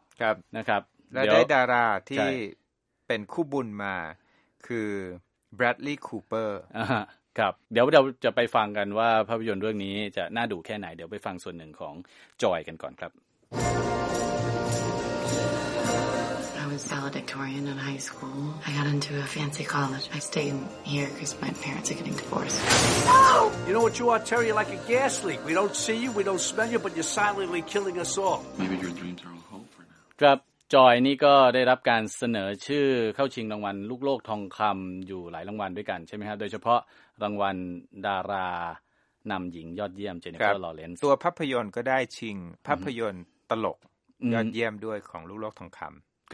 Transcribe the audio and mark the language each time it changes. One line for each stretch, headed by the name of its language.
Thai: ครับ นะครับ และได้ดาราที่เป็นคู่บุญมาคือแบรดลีย์คูเปอร์ครับเดี๋ยวจะไปฟังกันว่าภาพยนตร์เรื่องนี้จะน่าดูแค่ไหนเดี๋ยวไปฟังส่วนหนึ่งของ Joy กันก่อนครับ
English: Valedictorian in high school. I got into a fancy college. I stay here because my parents are getting divorced. No! You know what you are, Terry? You're like a gas leak. We don't see you, we don't smell you, but you're silently killing us all. Maybe your dreams are on hold for now.
Thai: ครับจอยนี่ก็ได้รับการเสนอชื่อเข้าชิงรางวัลลูกโลกทองคำอยู่หลายรางวัลด้วยกันใช่ไหมครับโดยเฉพาะรางวัลดารานำหญิงยอดเยี่ยมเจนนิเฟอร์ลอเรนซ์ ตัวภาพยนตร์ก็ได้ชิงภาพยนตร์ตลกยอดเยี่ยมด้วยของลูกโลกทองคำ